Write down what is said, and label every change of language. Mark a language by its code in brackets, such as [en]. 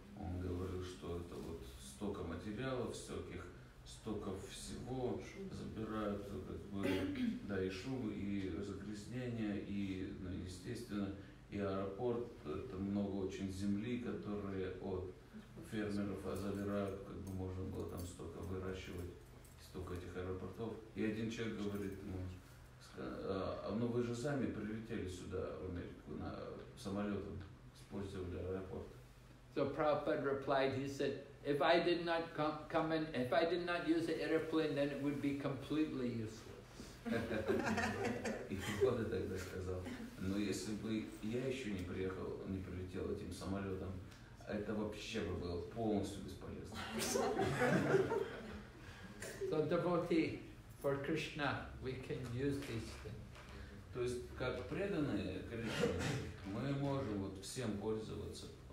[ru] Он говорил, что это вот столько материалов, всяких, столько всего забирают, как бы, да, и шум, и загрязнение, и, ну, естественно, и аэропорт, это много очень земли, которые от фермеров забирают, как бы можно было там столько выращивать, столько этих аэропортов. И один человек говорит ему, ну вы же сами прилетели сюда, в Америку, на самолетом использовали аэропорт. [en] So Prabhupada replied, he said, if I did not come in, if I did not use an airplane, then it would be completely useless. [ru] И Прабхупада тогда сказал, но если бы я еще не приехал, не прилетел этим самолетом, это вообще бы было полностью бесполезно. [en] So devotee, for Krishna, we can use these things. [ru] То есть, как преданные Кришне, мы можем вот всем пользоваться.